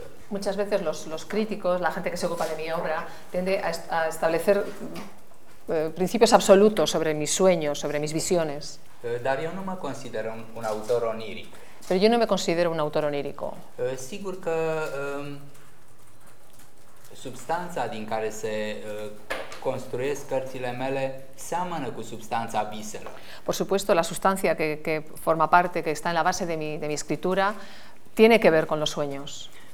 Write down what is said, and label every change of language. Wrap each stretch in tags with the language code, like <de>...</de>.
<es>Muchas veces los críticos, la gente que se ocupa de mi obra, tiende a establecer principios absolutos sobre mis sueños, sobre mis visiones.</es> <ro>Dar eu nu mă consider un autor oniric.</ro> <es>Pero yo no me considero un autor onírico.</es> <ro>Sigur că substanța din care se construiesc cărțile mele seamănă cu substanța viselor.</ro> <es>Por supuesto, la sustancia que forma parte, que está en la base de mi escritura, tiene que ver con los sueños.</es>